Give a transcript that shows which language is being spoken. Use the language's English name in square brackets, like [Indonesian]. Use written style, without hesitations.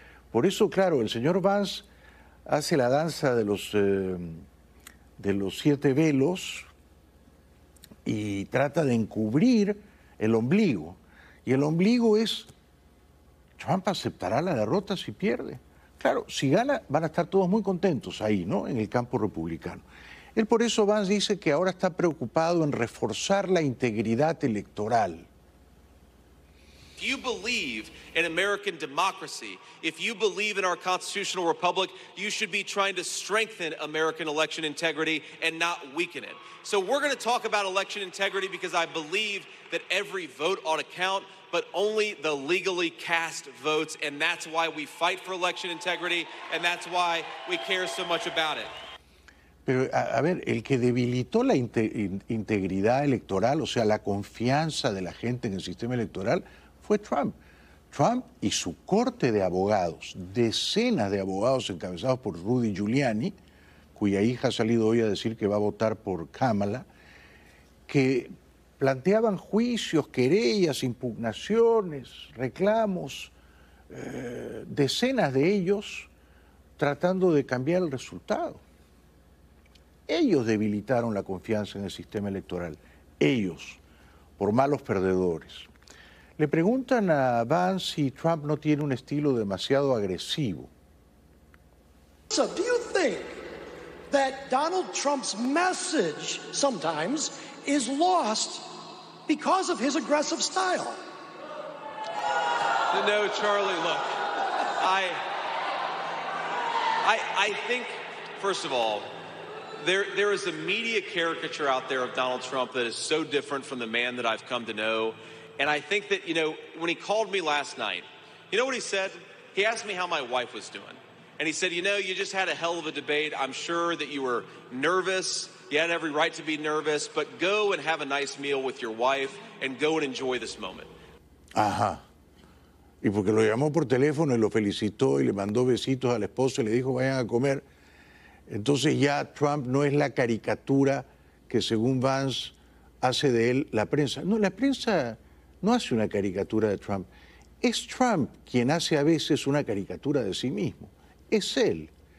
[Spanish] Por eso, claro, el señor Vance hace la danza de los siete velos y trata de encubrir el ombligo. Y el ombligo es, ¿Trump aceptará la derrota si pierde? Claro, si gana, van a estar todos muy contentos ahí, ¿no?, en el campo republicano. Él, por eso, Vance dice que ahora está preocupado en reforzar la integridad electoral. [English] If you believe in American democracy, if you believe in our constitutional republic, you should be trying to strengthen American election integrity and not weaken it. So we're going to talk about election integrity because I believe that every vote ought to count, but only the legally cast votes, and that's why we fight for election integrity, and that's why we care so much about it. [Spanish] Pero, a ver, el que debilitó la integridad electoral, o sea, la confianza de la gente en el sistema electoral, fue Trump. Trump y su corte de abogados, decenas de abogados encabezados por Rudy Giuliani, cuya hija ha salido hoy a decir que va a votar por Kamala, que planteaban juicios, querellas, impugnaciones, reclamos, decenas de ellos tratando de cambiar el resultado. Ellos debilitaron la confianza en el sistema electoral, ellos, por malos perdedores. Le preguntan a Vance si Trump no tiene un estilo demasiado agresivo. [English] So, do you think that Donald Trump's message sometimes is lost because of his aggressive style? No, Charlie, look. I think, first of all, there is a media caricature out there of Donald Trump that is so different from the man that I've come to know. And I think that, you know, when he called me last night, you know what he said? He asked me how my wife was doing. And he said, you know, you just had a hell of a debate. I'm sure that you were nervous. You had every right to be nervous. But go and have a nice meal with your wife and go and enjoy this moment. Ajá. [Spanish] Y porque lo llamó por teléfono y lo felicitó y le mandó besitos a la esposa y le dijo, vayan a comer. Entonces ya Trump no es la caricatura que, según Vance, hace de él la prensa. No, la prensa no hace una caricatura de Trump. Es Trump quien hace a veces una caricatura de sí mismo. Es él.